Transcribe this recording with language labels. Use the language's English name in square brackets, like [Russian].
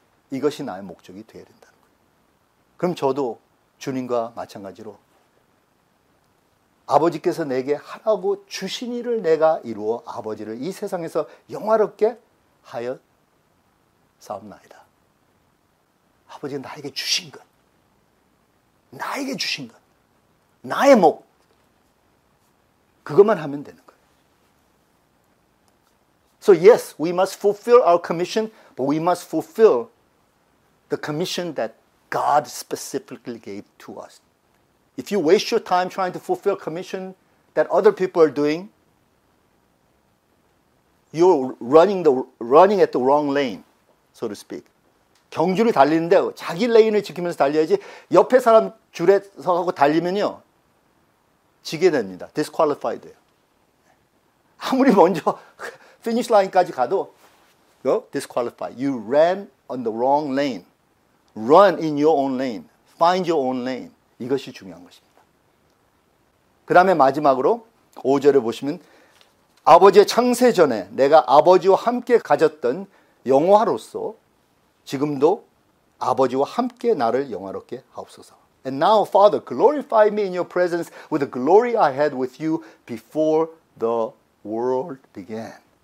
[Korean] 이것이 나의 목적이 되어야 된다는 거예요. 그럼 저도 주님과 마찬가지로 아버지께서 내게 하라고 주신 일을 내가 이루어 아버지를 이 세상에서 영화롭게 하여 싸움나이다. 아버지 나에게 주신 것, 나에게 주신 것, 나의 목, 그것만 하면 되는 거예요. [English] So yes, we must fulfill our commission, but we must fulfill the commission that God specifically gave to us. If you waste your time trying to fulfill a commission that other people are doing, you're running at the wrong lane, so to speak. [Korean] 경주를 달리는데 자기 레인을 지키면서 달려야지 옆에 사람 줄에 서가지고 달리면요. 지게 됩니다. Disqualified 돼요. 아무리 먼저 finish line까지 가도 [English] no? Disqualified. You ran on the wrong lane. Run in your own lane. Find your own lane. [Korean] 이것이 중요한 것입니다. 그 다음에 마지막으로 5절을 보시면 아버지의 창세 전에 내가 아버지와 함께 가졌던 영화로서 지금도 아버지와 함께 나를 영화롭게 하옵소서. [English] And now, Father, glorify me in your presence with the glory I had with you before the world began.